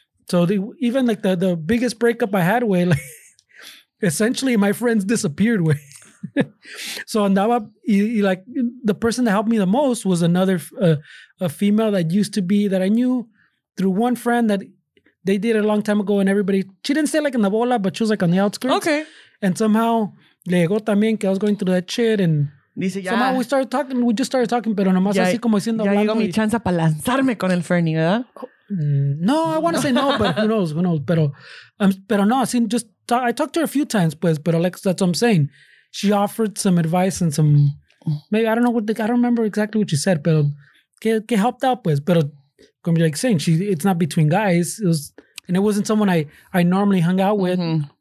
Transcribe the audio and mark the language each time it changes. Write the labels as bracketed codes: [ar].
[en] So even like the biggest breakup I had, güey, like, essentially my friends disappeared, güey. So [es] andaba, y [en] like the person that helped me the most was another a female that used to be, that I knew through one friend that they did it a long time ago, and everybody, she didn't stay like in the bola, but she was like on the outskirts. Okay. And somehow [es] le llegó también que [en] I was going through that shit, and [es] dice, ya, [en] somehow we just started talking, [es] pero nomás ya, así como diciendo, ya llegó mi chance para lanzarme con el Fernie, ¿verdad? [en] No, I want to say no, but who knows, [es] pero no, así, [en] just I talked to her a few times, [es] pues, pero [en] like, that's what I'm saying. She offered some advice and some, maybe, I don't know what, I don't remember exactly what she said, [es] pero que [en] helped out, [es] pues, pero como [en] you're like saying, it's not between guys, it wasn't someone I normally hung out with. Mm-hmm.